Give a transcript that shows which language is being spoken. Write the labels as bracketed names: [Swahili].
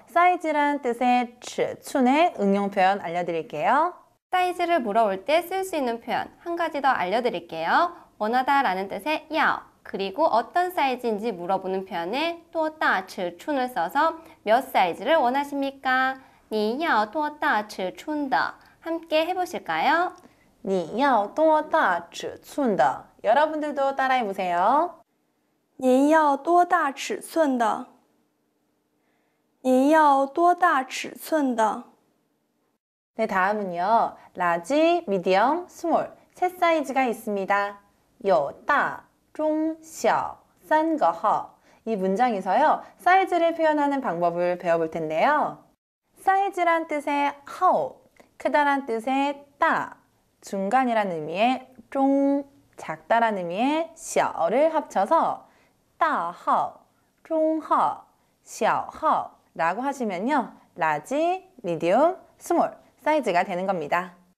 [Korean] 사이즈란 뜻의 尺寸의 응용 표현 알려드릴게요. 사이즈를 물어볼 때 쓸 수 있는 표현 한 가지 더 알려드릴게요. 원하다 라는 뜻의 要 그리고 어떤 사이즈인지 물어보는 표현에 多大尺寸을 써서 몇 사이즈를 원하십니까? [Chinese] 你要多大尺寸的 [Korean] 함께 해보실까요? [Chinese] 你要多大尺寸的 [Korean] 여러분들도 따라해보세요. [Chinese] 您要多大尺寸的?您要多大尺寸的? [Korean] 네, 다음은요. 라지, 미디엄, 스몰 세 사이즈가 있습니다. [Chinese] 有大、中、小三个号 [Korean] 이 문장에서요. 사이즈를 표현하는 방법을 배워볼 텐데요. 사이즈란 뜻의 하오, 크다란 뜻의 따, 중간이라는 의미의 중, 작다라는 의미의 小를 합쳐서 大号, 중号, 小号 라고 하시면요. 라지, 미디움, 스몰 사이즈가 되는 겁니다.